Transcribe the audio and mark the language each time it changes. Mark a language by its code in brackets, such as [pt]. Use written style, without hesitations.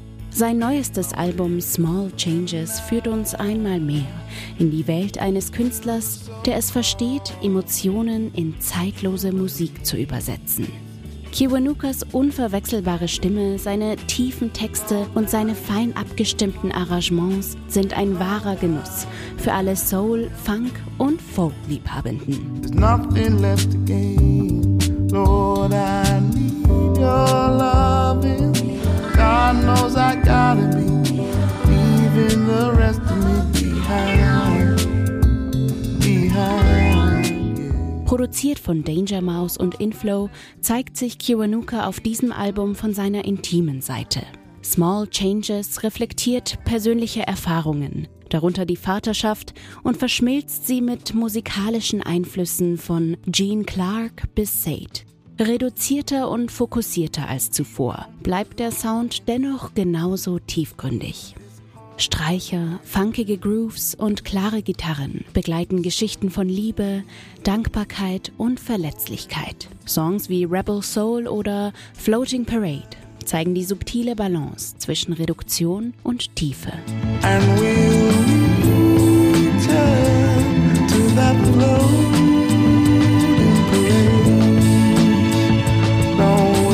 [de] Sein neuestes Album Small Changes führt uns einmal mehr in die Welt eines Künstlers, der es versteht, Emotionen in zeitlose Musik zu übersetzen. Kiwanukas unverwechselbare Stimme, seine tiefen Texte und seine fein abgestimmten Arrangements sind ein wahrer Genuss für alle Soul-, Funk- und Folk-Liebhabenden. [en] There's nothing left to gain, Lord, I need your loving. God knows I gotta be leaving the rest of me behind. [de] Produziert von Danger Mouse und Inflow, zeigt sich Kiwanuka auf diesem Album von seiner intimen Seite. Small Changes reflektiert persönliche Erfahrungen, darunter die Vaterschaft, und verschmilzt sie mit musikalischen Einflüssen von Gene Clark bis Sade. Reduzierter und fokussierter als zuvor, bleibt der Sound dennoch genauso tiefgründig. Streicher, funkige Grooves und klare Gitarren begleiten Geschichten von Liebe, Dankbarkeit und Verletzlichkeit. Songs wie Rebel Soul oder Floating Parade zeigen die subtile Balance zwischen Reduktion und Tiefe. [en] And we'll return to that floating parade.